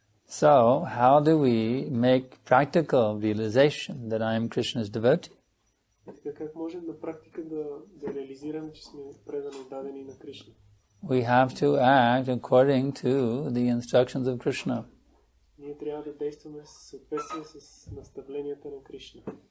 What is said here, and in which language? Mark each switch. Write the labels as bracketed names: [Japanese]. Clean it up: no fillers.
[English] So, how do we make practical realization that I am Krishna's devotee? [Bulgarian] Как можем на практика да реализираме, че сме предано отдадени на Кришна? [English] We have to act according to the instructions of Krishna. [Bulgarian] Ние трябва да действаме съответствие с наставленията на Кришна.